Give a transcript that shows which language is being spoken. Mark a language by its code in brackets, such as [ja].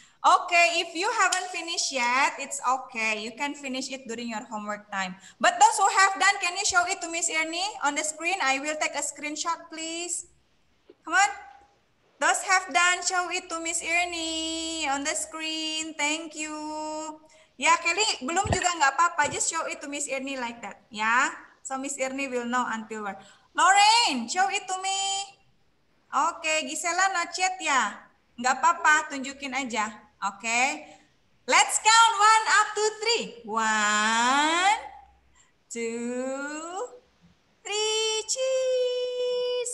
[en] Okay, if you haven't finished yet, it's okay. You can finish it during your homework time. But those who have done, can you show it to Miss Ernie on the screen? I will take a screenshot, please. Come on. Those have done, show it to Miss Ernie on the screen. Thank you. Yeah, [id] Kelly, belum juga nggak apa-apa. [en] Just show it to Miss Ernie like that, yeah? So Miss Ernie will know until where. Lorraine, show it to me. Okay, Gisela not yet, yeah? [id] Nggak apa-apa, tunjukin aja. [en] Okay. Let's count one up to three. One, two, three, cheese.